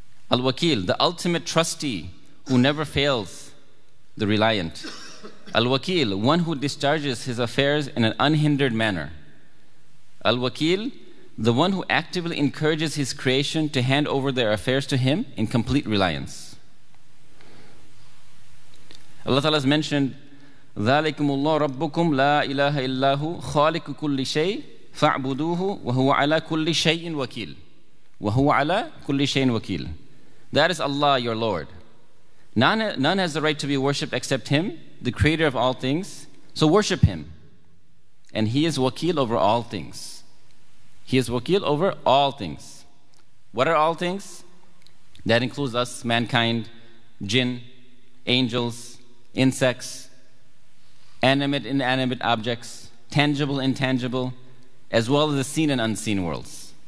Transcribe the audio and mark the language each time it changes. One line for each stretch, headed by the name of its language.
English: Al-Wakil, the ultimate trustee who never fails the reliant. Al-Wakil, one who discharges his affairs in an unhindered manner. Al-Wakil, the one who actively encourages his creation to hand over their affairs to him in complete reliance. Allah Ta'ala has mentioned,
Arabic: ذَلَكُمُ اللَّهُ رَبُّكُمْ لَا إِلَٰهَ إِلَّهُ خَالِكُ كُلِّ شَيْءٍ فَاعْبُدُوهُ وَهُوَ عَلَى كُلِّ شَيْءٍ وَكِيلٌ وَهُوَ عَلَى كُلِّ شَيْءٍ وَكِيلٌ.
English: That is Allah, your Lord. None has the right to be worshipped except Him, the creator of all things. So worship Him. And He is wakil over all things. He is wakil over all things. What are all things? That includes us, mankind, jinn, angels, insects, animate, inanimate objects, tangible, intangible, as well as the seen and unseen worlds.